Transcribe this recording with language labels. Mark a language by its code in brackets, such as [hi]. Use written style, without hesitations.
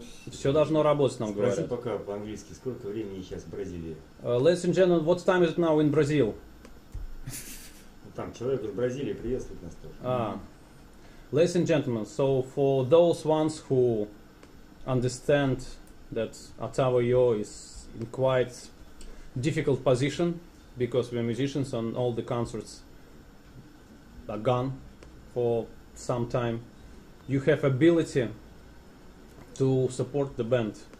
[ru] Все должно работать, нам говорят. Скажи пока по-английски, сколько времени сейчас в Бразилии? [en] Ladies and gentlemen, what time is it now in Brazil? [ru] Там человек из Бразилии приветствует нас тоже. [en] Ladies and gentlemen, so for those ones who understand that Otavo Yo is in quite difficult position, because we are musicians and all the concerts are gone for some time, you have ability to support the band.